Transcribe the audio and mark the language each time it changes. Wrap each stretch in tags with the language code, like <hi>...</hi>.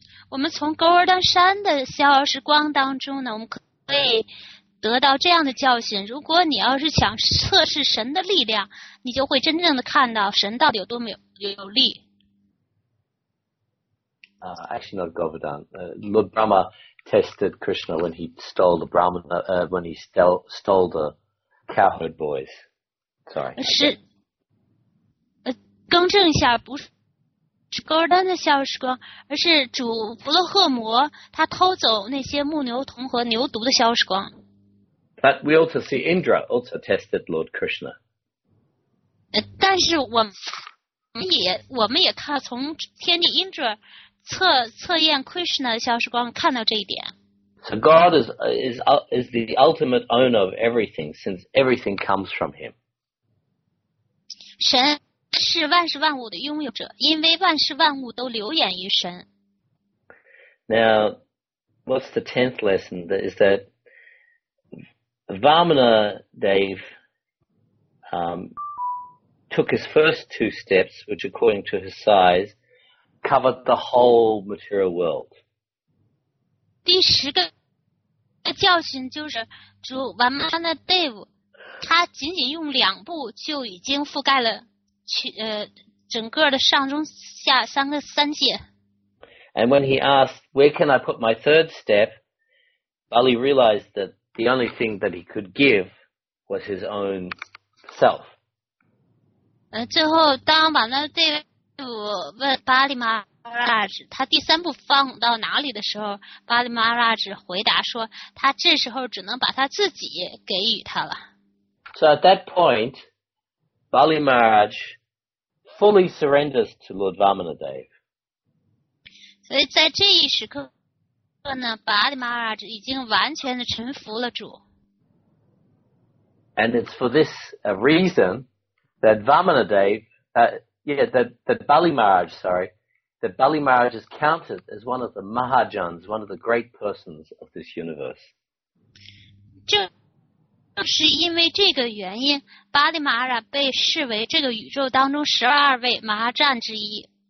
<zh>我们从 Govardhan 山的逍遥时光当中呢，我们可以得到这样的教训，如果你要是想测试神的力量，你就会真正的看到神到底有多么 有力。</zh> <en>Actually not Govardhan. Lord Brahma tested Krishna when he stole the Brahmana, when he stole the cowherd boys. Sorry.</en> <zh>是，更正一下，不是 Govardhan 的逍遥时光，而是主婆罗诃摩他偷走那些牧牛童和牛犊的逍遥时光。</zh> <en>But we also see Indra also tested Lord Krishna.</en> <zh>但是我们也看从天帝 Indra 测验 Krishna 的逍遥时光看到这一点。</zh> <en>So God is the ultimate owner of everything, since everything comes from Him.</en> <zh>神是万事万物的拥有者，因为万事万物都流演于神。</zh> <en>Now, what's the tenth lesson? Is that Vamana Dev took his first two steps, which according to his size, covered the whole material world.</en> <zh>第十个教训就是主 Vamana Dev 他仅仅用两步就已经覆盖了整个的上中下三界。</zh> <en>And when he asked, where can I put my third step? Bali realized that the only thing that he could give was his own self.</en> <zh>最后当瓦纳德夫问巴利马拉什他第三步放到哪里的时候，巴利马拉什回答说他这时候只能把他自己给予他了。</zh> <en>So at that point, Bali Maharaj fully surrenders to Lord Vamanadev.</en> <zh>所以在这一时刻呢，巴利马拉已经完全的臣服了主。</zh> <en>And it's for this reason that Vamanadev, that Bali Maharaj is counted as one of the Mahajans, one of the great persons of this universe.</en> <zh>就是因为这个原因，巴利马拉被视为这个宇宙当中十二位麻将之一。</zh>